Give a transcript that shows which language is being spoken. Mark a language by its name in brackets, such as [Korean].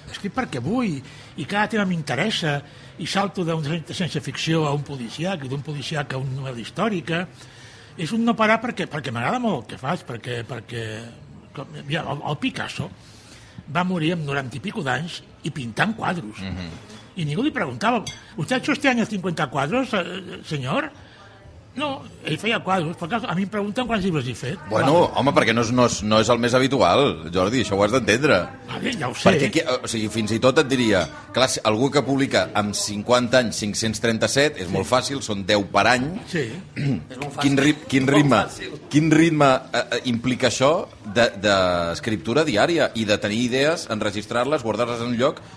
[Catalan] Escric perquè vull, i cada tema m'interessa, i salto d'una ciència-ficció a un policiac, i d'un policiac a una novel·la històrica. És un no parar perquè m'agrada molt el que faig, perquè ja, el Picasso va morir amb 90 i pico d'anys i pintant quadros. I ningú li preguntava, [Spanish] ¿usted ha hecho este año 50 quadros, señor? [Catalan] No, ell feia quadros, però a mi em pregunten quants llibres he fet. Bueno, va, home, perquè no és el més habitual, Jordi, això ho has d'entendre. Vale, ja ho sé. Perquè, o sigui, fins i tot et diria, clar, algú que publica amb 50 anys 537, és sí, molt fàcil, són 10 per any. Sí, quin ritme implica això d'escriptura diària i de tenir idees, enregistrar-les, guardar-les en un lloc?